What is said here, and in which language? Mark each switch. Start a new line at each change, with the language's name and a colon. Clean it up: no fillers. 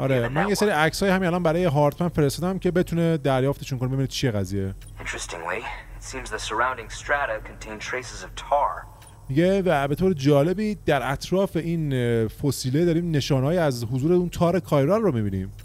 Persian: آره من یه سری عکسای همین الان برای هارتمن فرستادم که بتونه دریافتشون کنه ببینه چیه قضیه.
English: Interestingly, it seems the surrounding strata contain traces of tar.
Persian: میگه و به طور جالبی در اطراف این فسیله داریم نشانهایی از حضور اون تار کایرال رو میبینیم.